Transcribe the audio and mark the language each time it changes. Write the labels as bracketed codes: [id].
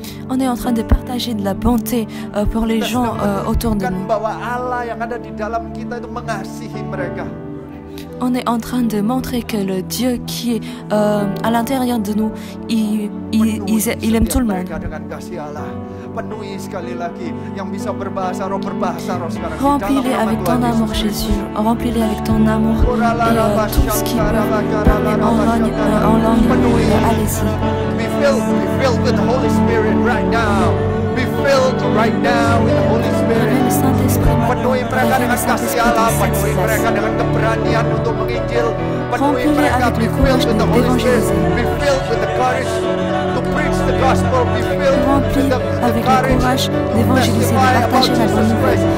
[fr] On est en train de partager de la bonté pour les gens autour de nous. [id] Bahwa Allah yang ada di dalam kita itu mengasihi mereka. [fr] On est en train de montrer que le Dieu qui est à l'intérieur de nous, il aime tout le monde. [id] Dengan kasih Allah, penuhi sekali lagi yang bisa berbahasa roh sekarang. [fr] Remplis-les avec ton amour, Jésus. Remplis-les avec ton amour et tout ce qui peut en langue. Allez-y. [en] Be filled with the Holy Spirit right now. Be filled right now with the Holy Spirit. [id] Penuhi mereka dengan kasih Allah, penuhi mereka dengan keberanian untuk menginjil, penuhi mereka. [en] Be filled with the Holy Spirit. Be filled with the courage to preach the gospel. Be filled with the courage to testify about Jesus Christ.